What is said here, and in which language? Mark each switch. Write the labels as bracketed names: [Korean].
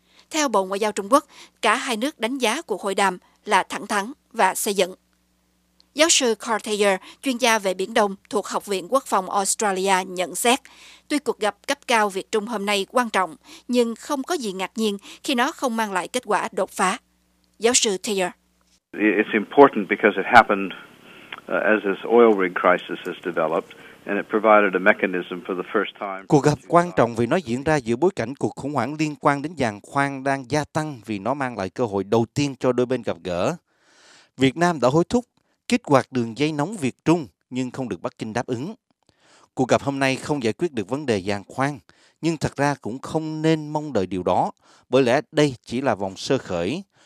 [Vietnamese] Theo Bộ Ngoại giao Trung Quốc, cả hai nước đánh giá cuộc hội đàm là thẳng thắn và xây dựng. Giáo sư Carl Thayer, chuyên gia về Biển Đông thuộc Học viện Quốc phòng Australia nhận xét, tuy cuộc gặp cấp cao Việt Trung hôm nay quan trọng, nhưng không có gì ngạc nhiên khi nó không mang lại kết quả đột phá. Giáo sư Thayer. [English] It's important because it happened as this oil rig crisis has developed and it provided a mechanism for the first time. [Vietnamese] Cuộc gặp quan trọng vì nó diễn ra giữa bối cảnh cuộc khủng hoảng liên quan đến giàn khoan đang gia tăng vì nó mang lại cơ hội đầu tiên cho đôi bên gặp gỡ. Việt Nam đã hối thúc kích hoạt đường dây nóng Việt Trung nhưng không được Bắc Kinh đáp ứng. Cuộc gặp hôm nay không giải quyết được vấn đề giàn khoan, nhưng thật ra cũng không nên mong đợi điều đó, bởi lẽ đây chỉ là vòng sơ khởi.